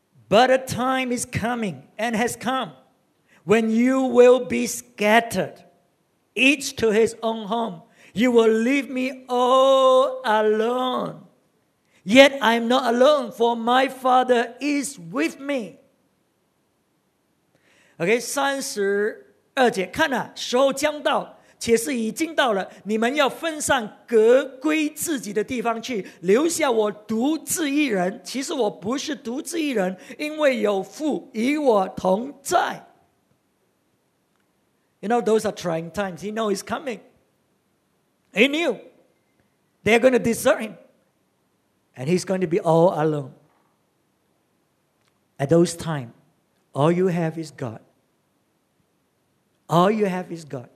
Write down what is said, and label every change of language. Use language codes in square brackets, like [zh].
[en] But a time is coming and has come when you will be scattered, each to his own home. You will leave me all alone. Yet I am not alone, for my Father is with me. [zh] Okay, 32节，看啊，时候将到，且是已经到了，你们要分散，各归自己的地方去，留下我独自一人。其实我不是独自一人，因为有父与我同在。 [en] You know, those are trying times. He knows it's coming. He knew they're going to desert him. And he's going to be all alone. At those times, all you have is God. All you have is God.